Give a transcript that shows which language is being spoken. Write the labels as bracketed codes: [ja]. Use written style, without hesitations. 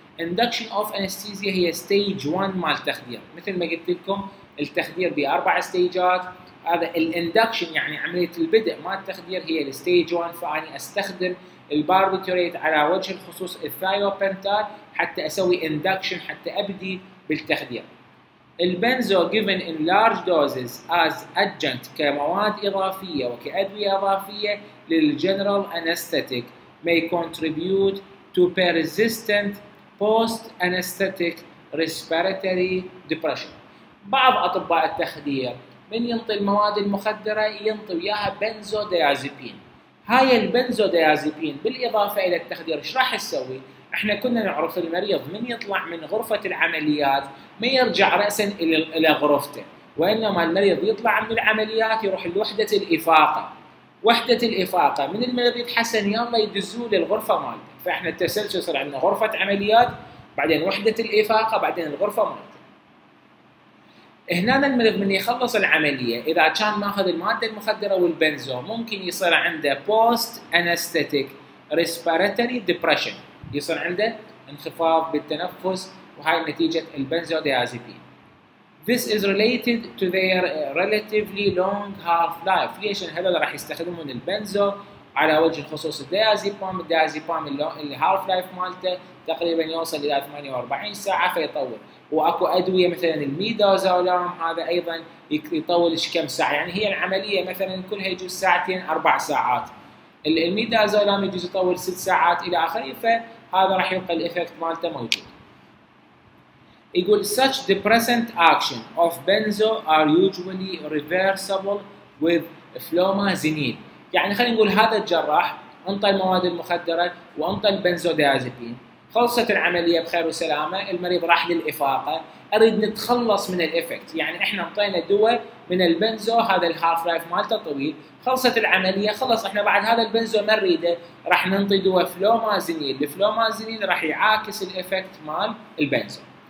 [ar] اندكشن اوف انستيزيا هي ستيج 1 مال التخدير، مثل ما قلت لكم التخدير باربع ستيجات، هذا الاندكشن يعني عمليه البدء مال التخدير هي الستيج 1، فاني استخدم الباربيتوريت على وجه الخصوص الثايوبنتال حتى اسوي اندكشن حتى ابدي بالتخدير. [en] البنزو given in large doses as adjunct [ar] كمواد إضافية وكأدوية إضافية للجنرال [en] anesthetic may contribute to persistent post-anesthetic respiratory depression. [ar] بعض أطباء التخدير من ينطي المواد المخدرة ينطي وياها بنزو ديازيبين. هاي البنزو ديازيبين بالإضافة إلى التخدير إيش راح يسوي؟ احنا كنا نعرف المريض من يطلع من غرفة العمليات ما يرجع رأسا إلى غرفته، وإنما المريض يطلع من العمليات يروح لوحدة الإفاقة. وحدة الإفاقة من المريض يتحسن يلا يدزوه للغرفة مالته، فإحنا التسلسل صار عندنا غرفة عمليات، بعدين وحدة الإفاقة، بعدين الغرفة مالته. هنا المريض من يخلص العملية إذا كان ماخذ المادة المخدرة والبنزو ممكن يصير عنده [en] post anesthetic respiratory depression. [ar] يصير عنده انخفاض بالتنفس وهاي نتيجة البنزوديازيبين. [en] This is related to their relatively long half-life. [ar] ليش هذول راح يستخدمون البنزو على وجه الخصوص الديازيبام؟ الديازيبام اللي هالف لايف مالته تقريبا يوصل الى 48 ساعة فيطول. واكو ادوية مثلا الميدازولام هذا ايضا يطول كم ساعة، يعني هي العملية مثلا كلها يجوز ساعتين اربع ساعات. الميدازولام يجوز يطول ست ساعات الى اخره، فهذا راح يبقى الايفكت مالته موجود. يقول [en] such depressant action of benzo are usually reversible with flomazenil. [ar] يعني خلينا نقول هذا الجراح انطى المواد المخدره وانطى البنزوديازيبين، خلصت العمليه بخير وسلامه، المريض راح للافاقه، اريد نتخلص من الافكت، يعني احنا انطينا دواء من البنزو هذا الهالف لايف مالته طويل، خلصت العمليه، خلص احنا بعد هذا البنزو ما نريده، راح ننطي دواء فلومازينيل، الفلومازينيل راح يعاكس الافكت مال البنزو.